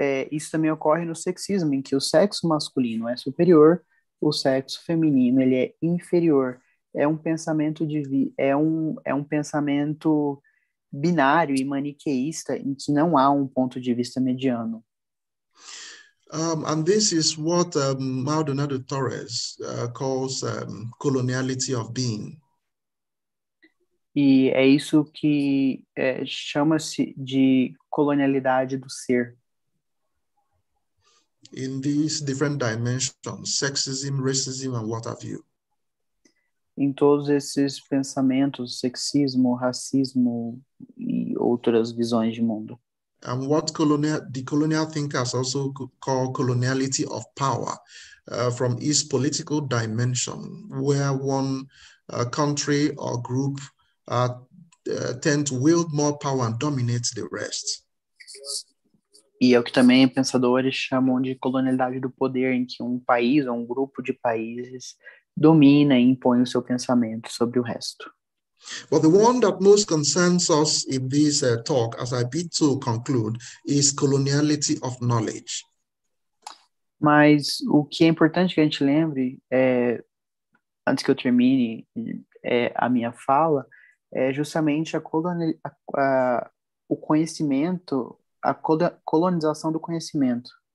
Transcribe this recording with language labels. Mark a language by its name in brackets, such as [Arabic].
[Portuguese] Isso também ocorre no sexismo, em que o sexo masculino é superior, o sexo feminino ele é inferior. É um pensamento é um pensamento binário e maniqueísta, em que não há um ponto de vista mediano. [English] And this is what Maldonado Torres calls coloniality of being. [Portuguese] E é isso que chama-se de colonialidade do ser. [English] In these different dimensions, sexism, racism, and what have you. [Portuguese] Em todos esses pensamentos, sexismo, racismo e outras visões de mundo. [English] And what the colonial thinkers also call coloniality of power, from its political dimension, where one country or group tend to wield more power and dominate the rest. [Portuguese] E é o que também pensadores chamam de colonialidade do poder, em que um país ou um grupo de países domina e impõe o seu pensamento sobre o resto. [English] But the one that most concerns us in this talk, as I begin to conclude, is coloniality of knowledge. [Portuguese] Mas o que é importante que a gente lembre, antes que eu termine a minha fala, é justamente o conhecimento, a colonização do conhecimento.